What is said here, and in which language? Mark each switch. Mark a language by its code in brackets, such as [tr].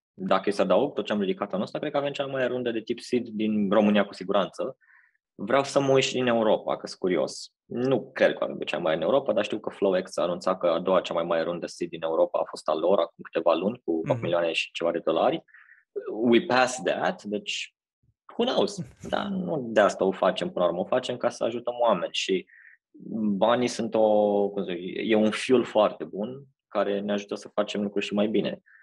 [ro] Dacă e să adaug tot ce am ridicat anul ăsta, cred că avem cea mai rundă de tip seed din România, cu siguranță. Vreau să mă uit și din Europa, că sunt curios. Nu cred că avem de cea mai în Europa, dar știu că FlowX a anunțat că a doua cea mai mare rundă seed din Europa a fost a lor, acum câteva luni, cu 8 milioane și ceva de dolari. [en] We pass that, [ro] deci, [en] who knows? [ro] Dar nu de asta o facem până la urmă, o facem ca să ajutăm oameni și banii sunt e un fuel foarte bun care ne ajută să facem lucruri și mai bine.